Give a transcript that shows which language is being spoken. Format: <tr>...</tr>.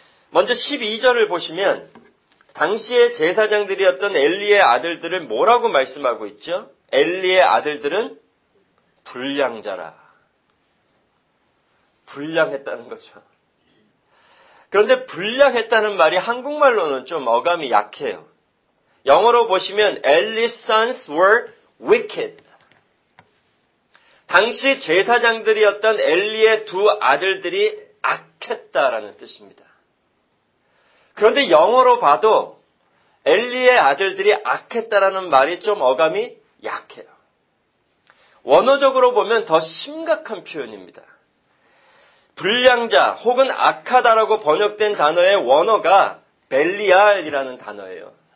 <ko>먼저 12절을 보시면 당시의 제사장들이었던 엘리의 아들들을 뭐라고 말씀하고 있죠? 엘리의 아들들은 불량자라. 불량했다는 거죠. 그런데 불량했다는 말이 한국말로는 좀 어감이 약해요. 영어로 보시면</ko> <en>Eli's sons were wicked.</en> <ko>당시 제사장들이었던 엘리의 두 아들들이 악했다라는 뜻입니다. 그런데 영어로 봐도 엘리의 아들들이 악했다라는 말이 좀 어감이 약해요. 원어적으로 보면 더 심각한 표현입니다. 불량자 혹은 악하다라고 번역된 단어의 원어가 벨리알이라는 단어예요.</ko>